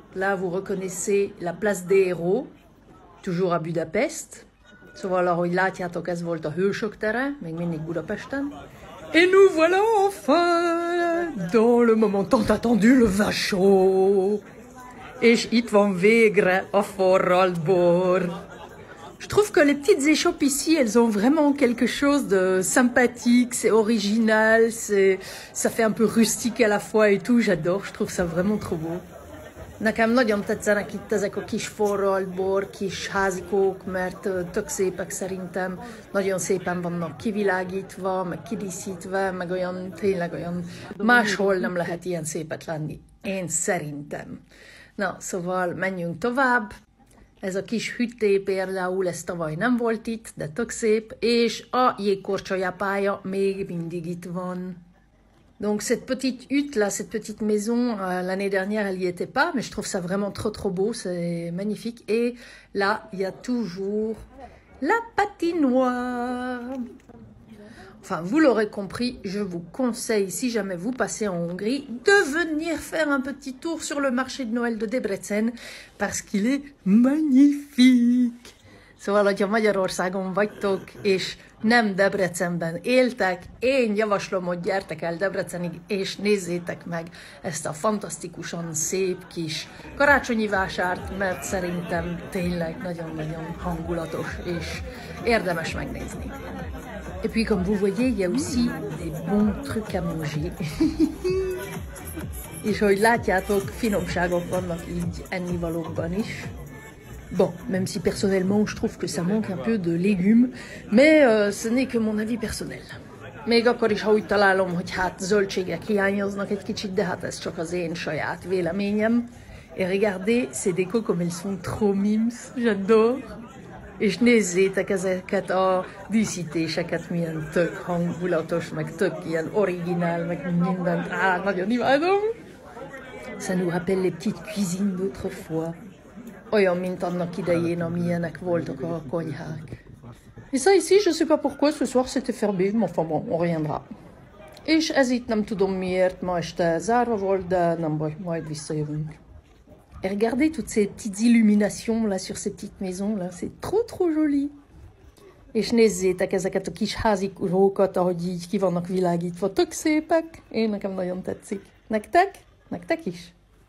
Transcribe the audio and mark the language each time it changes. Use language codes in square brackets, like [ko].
[fr] Là, vous reconnaissez la place des Héros, toujours à Budapest. [hu] Szóval, ahogy látjátok, ez volt a Hősök tere, még mindig Budapesten. [fr] Et nous voilà enfin dans le moment tant attendu, le Vachon. [hu] És itt van végre a Forralbor. [fr] Je trouve que les petites échoppes ici, elles ont vraiment quelque chose de sympathique, c'est original, ça fait un peu rustique à la fois et tout. J'adore, je trouve ça vraiment trop beau. [hu] Nekem nagyon tetszenek itt ezek a kis forralbor, kis házikók, mert tök szépek szerintem. Nagyon szépen vannak kivilágítva, meg kidíszítve, meg olyan, tényleg olyan. Máshol nem lehet ilyen szépet lenni, én szerintem. Na, szóval menjünk tovább. Ez a kis hüttér például, ez tavaly nem volt itt, de tök szép, és a jégkorcsolyapálya még mindig itt van. [fr] Donc cette petite hutte là, cette petite maison, l'année dernière elle n'y était pas, mais je trouve ça vraiment trop trop beau, c'est magnifique. Et là, il y a toujours la patinoire. Enfin, vous l'aurez compris, je vous conseille, si jamais vous passez en Hongrie, de venir faire un petit tour sur le marché de Noël de Debrecen, parce qu'il est magnifique. [hu] Szóval, hogyha Magyarországon vagytok, és nem Debrecenben éltek, én javaslom, hogy gyertek el Debrecenig, és nézzétek meg ezt a fantasztikusan szép kis karácsonyi vásárt, mert szerintem tényleg nagyon-nagyon hangulatos, és érdemes megnézni. [fr] Et puis, comme vous voyez, il y a aussi des bons trucs à manger. [hu] És ahogy látjátok, finomságok vannak így ennivalókban is. [fr] Bon, même si personnellement je trouve que ça manque un peu de légumes, mais ce n'est que mon avis personnel. [hu] Még akkor is, ha úgy találom, hogy hát zöldségek hiányoznak egy kicsit, de hát ez csak az én saját véleményem. [fr] Et regardez ces décos comme elles sont trop mimes, j'adore. [hu] És nézzétek ezeket a díszítéseket, milyen tök hangulatos, meg tök ilyen originál, meg mindent. Á, nagyon imádom! [fr] Ça nous rappelle les petites cuisines d'autrefois. [hu] Olyan, mint annak idején, amilyenek voltak a konyhák. [fr] Et ça ici, je sais pas pourquoi, ce soir c'était fermé, mais enfin bon, on reviendra. [hu] És ez itt nem tudom miért, ma este zárva volt, de nem baj, majd visszajövünk. [fr] Et regardez toutes ces petites illuminations là sur ces petites maisons là, c'est trop trop joli. Et je ne sais pas qu'est-ce que tu kiffes hasi rokat aujourd'hui, qui vont dans le village, il faut toxer pack et nakam nayon tatsik. Nak tak, nak takish.